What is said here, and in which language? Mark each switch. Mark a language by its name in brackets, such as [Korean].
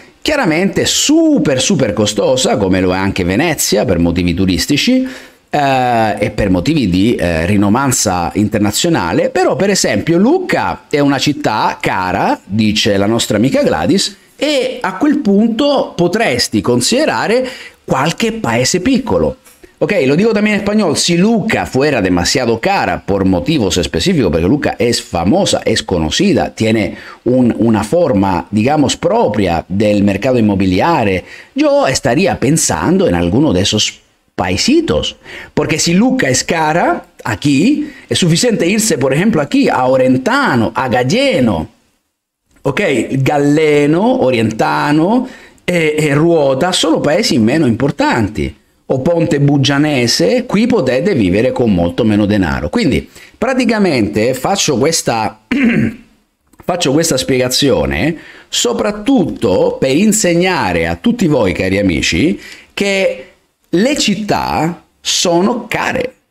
[Italian] Chiaramente super super costosa, come lo è anche Venezia per motivi turistici e per motivi di rinomanza internazionale. Però per esempio Lucca è una città cara, dice la nostra amica Gladys, e a quel punto potresti considerare qualche paese piccolo. [Spanish] Ok, lo digo también en español. Si Luca fuera demasiado cara por motivos específicos, porque Luca es famosa, es conocida, tiene una forma, digamos, propia del mercado inmobiliario, yo estaría pensando en alguno de esos paisitos. Porque si Luca es cara aquí, es suficiente irse, por ejemplo, aquí a Orentano, a Galleno. [Italian] Ok, Galleno, Orentano e Ruota sono paesi meno importanti. O Ponte Buggianese, qui potete vivere con molto meno denaro. Quindi praticamente faccio questa faccio questa spiegazione soprattutto per insegnare a tutti voi, cari amici, che le città sono care.